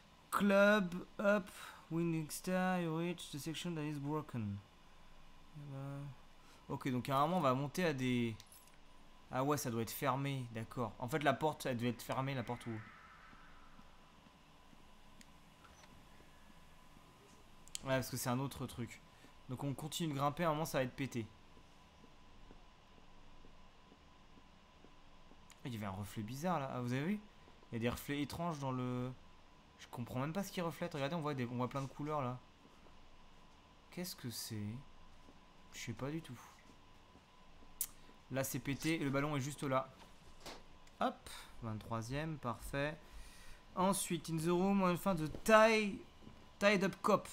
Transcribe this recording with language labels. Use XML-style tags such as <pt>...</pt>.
<en>Club up, winning star, you reach the section that is broken.</en> <fr>Ok, donc carrément on va monter à des... Ah ouais, ça doit être fermé, d'accord. En fait la porte, elle devait être fermée, la porte où? Ouais, parce que c'est un autre truc. Donc on continue de grimper, à un moment ça va être pété. Il y avait un reflet bizarre là. Ah, vous avez vu? Il y a des reflets étranges dans le... Je comprends même pas ce qu'il reflète. Regardez, on voit plein de couleurs là. Qu'est-ce que c'est? Je sais pas du tout. Là, c'est pété et le ballon est juste là. Hop, 23ème, parfait. Ensuite,</fr> <en>in the room, on find the tied up cop.</en>